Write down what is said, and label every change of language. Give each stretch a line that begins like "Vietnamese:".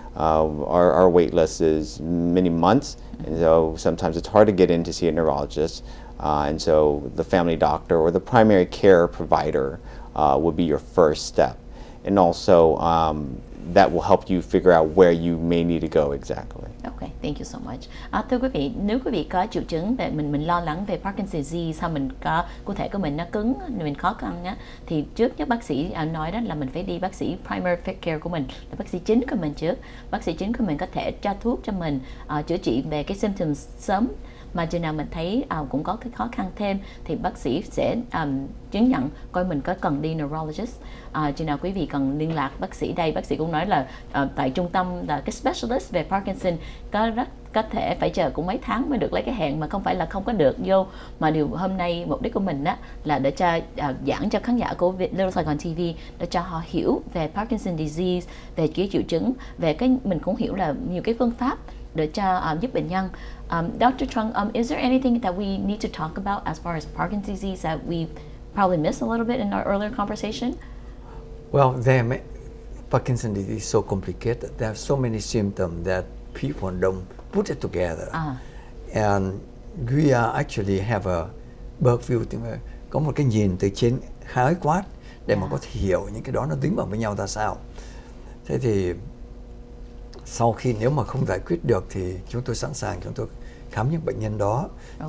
English: Our wait list is many months, and so sometimes it's hard to get in to see a neurologist. And so the family doctor or the primary care provider would be your first step. And also that will help you figure out where you may need to go exactly. Okay, thank you so much.
Vietnamese: Thưa quý vị, nếu quý vị có triệu chứng về mình lo lắng về Parkinson's disease, hay mình có cơ thể của mình nó cứng, mình khó khăn á, thì trước nhất bác sĩ nói đó là mình phải đi bác sĩ primary care của mình, là bác sĩ chính của mình trước. Bác sĩ chính của mình có thể cho thuốc cho mình chữa trị về cái symptoms sớm. Mà chừng nào mình thấy cũng có cái khó khăn thêm thì bác sĩ sẽ chứng nhận coi mình có cần đi neurologist. Chừng nào quý vị cần liên lạc bác sĩ đây, bác sĩ cũng nói là tại trung tâm là cái specialist về Parkinson có thể phải chờ cũng mấy tháng mới được lấy cái hẹn, mà không phải là không có được vô. Mà điều hôm nay mục đích của mình á là để cho giảng cho khán giả của Little Saigon TV, để cho họ hiểu về Parkinson disease, về cái triệu chứng, về cái mình cũng hiểu là nhiều cái phương pháp để cho giúp bệnh nhân.
English: Dr. Trung, is there anything that we need to talk about as far as Parkinson's disease that we probably missed a little bit in our earlier conversation? Well, Parkinson's disease is so complicated. There are so many symptoms that people don't put it together. And we actually have a bird view,
Vietnamese: có một cái nhìn từ trên khái quát để mà có thể hiểu những cái đó nó dính vào với nhau ra sao. Thế thì sau khi nếu mà không giải quyết được thì chúng tôi sẵn sàng chúng tôi khám những bệnh nhân đó. Okay.